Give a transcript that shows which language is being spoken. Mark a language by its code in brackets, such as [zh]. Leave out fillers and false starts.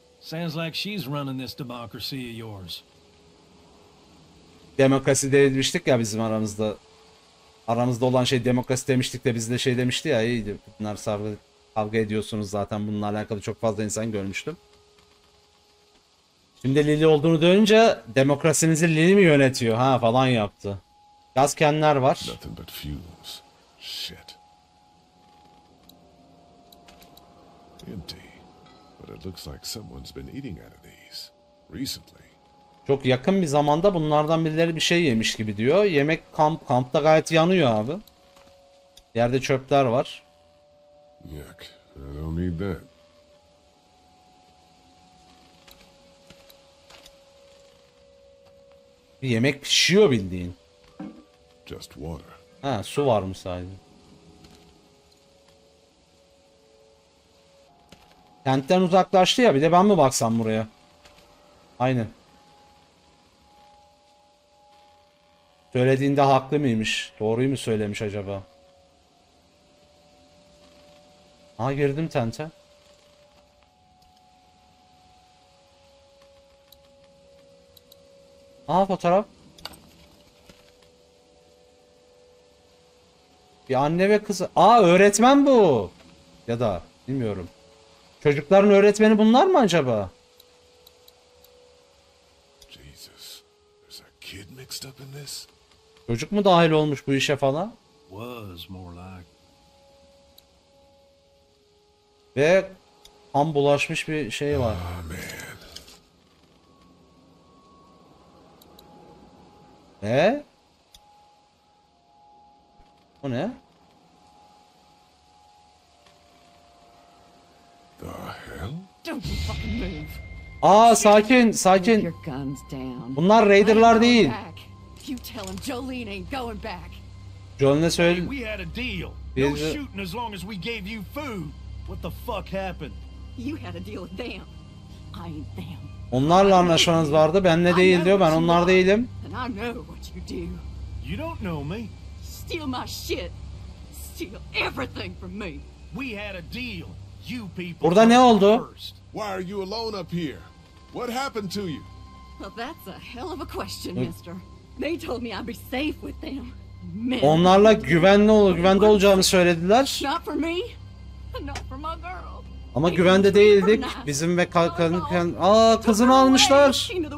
[en] Sounds like she's running this democracy of yours. [tr] Demokrasi demiştik ya bizim aramızda. Aramızda olan şey demokrasi demiştik de biz de şey demişti ya iyiydi. Bunlar kavga ediyorsunuz zaten bununla alakalı çok fazla insan görmüştüm. Şimdi Lili olduğunu duyunca demokrasinizi Lili mi yönetiyor ha falan yaptı. Gaz kenler var. [en] Shit. Empty. But it looks like someone's been eating out of these recently. [tr] Çok yakın bir zamanda bunlardan birileri bir şey yemiş gibi diyor. Yemek kampta gayet yanıyor abi. Yerde çöpler var. [en] Yuck. I don't need that. [tr] Yemek pişiyor bildiğin. [en] Just water. [tr] Ha, su var mı sadece? Kentten uzaklaştı ya bir de ben mi baksam buraya? Aynen. Söylediğinde haklı mıymış? Doğruyu mu söylemiş acaba? Aha girdim tente. Aha fotoğraf. Bir anne ve kızı. Aa öğretmen bu. Ya da bilmiyorum. Çocukların öğretmeni bunlar mı acaba? [en] Jesus. There's a kid mixed up in this. [tr] Çocuk mu dahil olmuş bu işe falan? [en] Was more like. [tr] Ve kan bulaşmış bir şey var. [en] Oh, man. E? [tr] O ne? [en] The hell? Don't you fucking move. [tr] Aa sakin sakin. Bunlar raiderlar değil. [en] You tell him Jolene ain't going back. [tr] Jolene söyle. [en] We had a deal. No shooting as long as we gave you food. What the fuck happened? You had a deal with them. I ain't them. [tr] Onlarla anlaşmanız vardı. Benle değil diyor. Ben onlar değilim. [en] And I know what you do. You don't know me. Steal my shit. Steal everything from me. We had a deal. You people. [tr] Burada ne oldu? [en] Why are you alone up here? What happened to you? Well, that's a hell of a question, mister. They told me I'd be safe with them. [tr] Onlarla güvenli olur, güvende olacağımı söylediler. [en] Not for me. Not for my girl. [tr] Ama güvende değildik. Bizim ve kalkanken aa kızını almışlar.